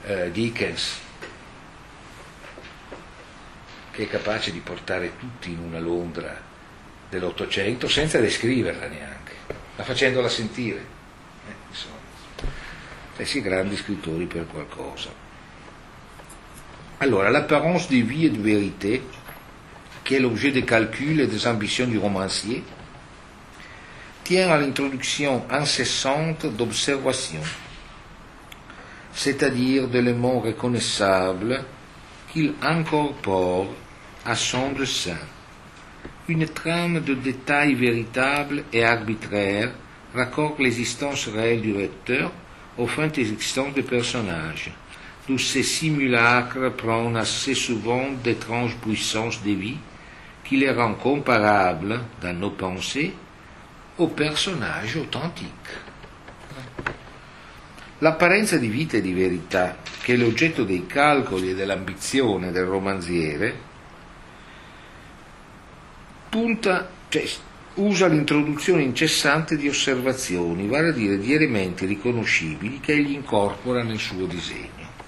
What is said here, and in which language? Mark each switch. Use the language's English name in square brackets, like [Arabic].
[Italian] Dickens, che è capace di portare tutti in una Londra dell'Ottocento senza descriverla neanche, ma facendola sentire. Insomma, sì, grandi scrittori per qualcosa. [French] Allora, l'apparence de vie et de vérité, [Italian] che è [French] l'objet des calculs et des ambitions du romancier, tient à l'introduction incessante d'observation, c'est-à-dire d'éléments reconnaissables qu'il incorpore à son dessin, une trame de détails véritables et arbitraires raccorde l'existence réelle du lecteur aux fins existantes des personnages, d'où ces simulacres prennent assez souvent d'étranges puissances de vie qui les rend comparables dans nos pensées aux personnages authentiques. [Italian] L'apparenza di vita e di verità, che è l'oggetto dei calcoli e dell'ambizione del romanziere, punta, cioè, usa l'introduzione incessante di osservazioni, vale a dire di elementi riconoscibili che egli incorpora nel suo disegno.